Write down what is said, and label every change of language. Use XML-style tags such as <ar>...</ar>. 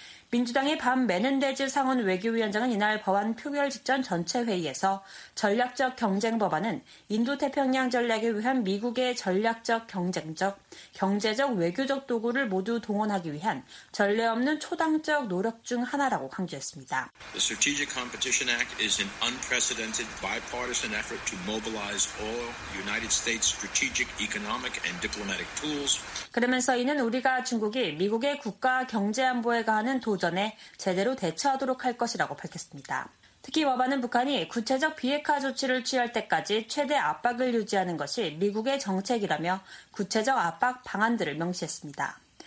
<ko>민주당의 밤 메넨데즈 상원 외교위원장은 이날 법안 표결 직전 전체 회의에서 전략적 경쟁 법안은 인도태평양 전략에 의한 미국의 전략적 경쟁적, 경제적, 외교적 도구를 모두 동원하기 위한 전례 없는 초당적 노력 중 하나라고 강조했습니다.</ko> <en>The Strategic Competition Act is an unprecedented bipartisan effort to mobilize all United States strategic, economic, and diplomatic tools.</en> <ko>그러면서 이는 우리가 중국이 미국의 국가 경제 안보에 가하는 도전에 제대로 대처하도록 할 것이라고 밝혔습니다. 특히 법안은 북한이 구체적 비핵화 조치를 취할 때까지 최대 압박을 유지하는 것이 미국의 정책이라며 구체적 압박 방안들을 명시했습니다.</ko>